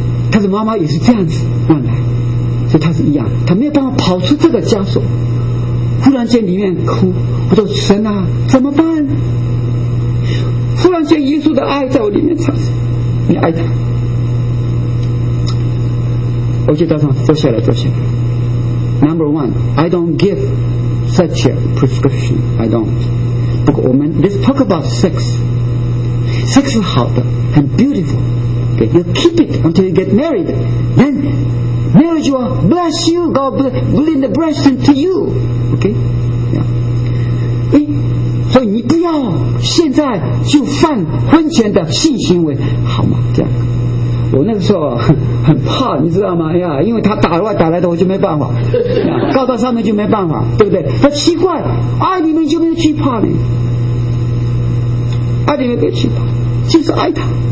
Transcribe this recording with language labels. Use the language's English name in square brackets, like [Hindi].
[Chinese] 他的妈妈也是这样子乱来，所以他是一样，他没有办法跑出这个枷锁。忽然间里面哭，我说神啊，怎么办？忽然间耶稣的爱在我里面产生，你爱他，我就打算坐下来坐下来。 [English] Number one, I don't give such a prescription. I don't. [Chinese] 不过我们 let's talk about sex. Sex 是好的，很 beautiful. [English] Okay, you keep it until you get married. Then marriage will bless you. God willing the blessing to you. Okay? Yeah. [Chinese] 所以你不要现在就犯婚前的性行为，好吗？这样，我那个时候很怕，你知道吗？呀，因为他打外打来的，我就没办法，告到上面就没办法，对不对？他奇怪，爱里面就没有惧怕呢，爱里面没有惧怕，就是爱他。